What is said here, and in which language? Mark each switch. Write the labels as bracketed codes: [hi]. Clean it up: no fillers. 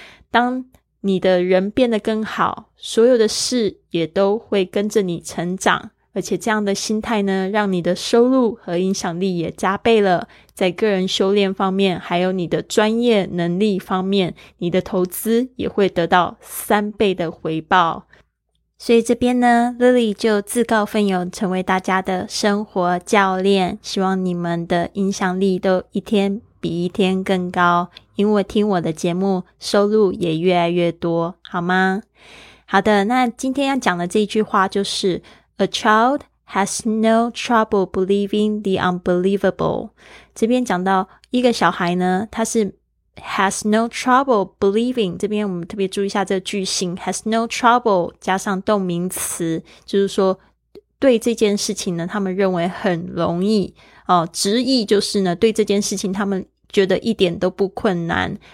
[zh] 当你的人变得更好，所有的事也都会跟着你成长，而且这样的心态呢让你的收入和影响力也加倍了，在个人修炼方面还有你的专业能力方面，你的投资也会得到三倍的回报。所以这边呢 Lily 就自告奋勇成为大家的生活教练，希望你们的影响力都一天比一天更高，因为听我的节目收入也越来越多，好吗？好的，那今天要讲的这一句话就是 [en] A child has no trouble believing the unbelievable。 [zh] 这边讲到一个小孩呢，他是 [en] has no trouble believing， [zh] 这边我们特别注意一下这个句型 has no trouble 加上动名词，就是说对这件事情呢他们认为很容易哦，直译就是呢对这件事情他们觉得一点都不困难。